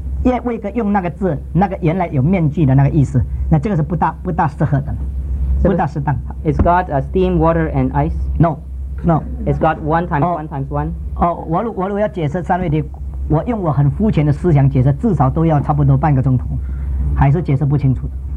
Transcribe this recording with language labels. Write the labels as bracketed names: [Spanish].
[Chinese] 因为魏哥用那个字，那个原来有面具的那个意思，那这个是不大适合的，不大适当。 [English] Is God a steam, water, and ice? No. Is God one times one times one? [Chinese] 我如果要解释三位的，我用我很肤浅的思想解释，至少都要差不多半个钟头，还是解释不清楚的。